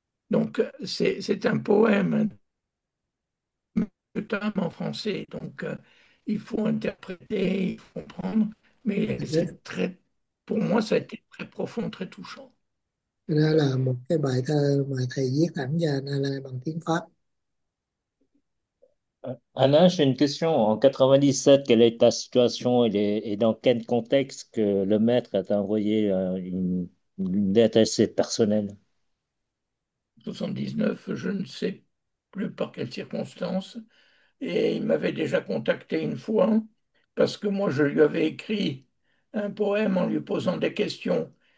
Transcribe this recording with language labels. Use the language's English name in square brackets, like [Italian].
[French] Donc, c'est un poème en français. Donc, il faut interpréter, il faut comprendre, mais c'est très, pour moi, ça a été très profond, très touchant. [Vietnamese] Ra là một cái bài thơ mà thầy viết thẳng cho anh Lai bằng tiếng Pháp. [French] Alain, j'ai une question. En 97, quelle est ta situation et dans quel contexte que le maître a envoyé une lettre assez personnelle? 79, je ne sais plus par quelles circonstances, et il m'avait déjà contacté une fois parce que moi je lui avais écrit un poème en lui posant des questions.